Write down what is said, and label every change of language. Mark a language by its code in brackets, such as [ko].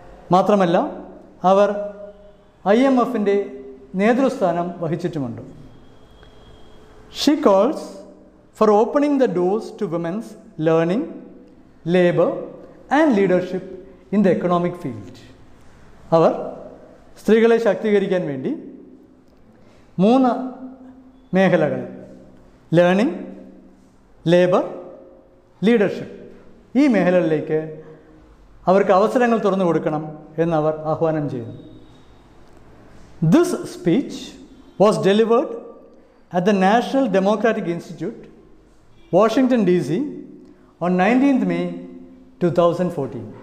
[ml] Mathramalla, avar IMF inde nedrusthanam vahichittumundu. [en] She calls for opening the doors to women's learning, labor, and leadership in the economic field. [ml] അവർ സ്ത്രീകളെ ശാക്തീകരിക്കാൻ വേണ്ടി മൂന്ന് മേഖലകൾ learning, labour, leadership ഈ മേഖലകളിലേക്ക് അവർക്ക് അവസരങ്ങൾ തുറന്നു കൊടുക്കണം എന്നവർ ആഹ്വാനം ചെയ്യുന്നു. [en] This speech was delivered at the National Democratic Institute, Washington DC, on 19th May 2014.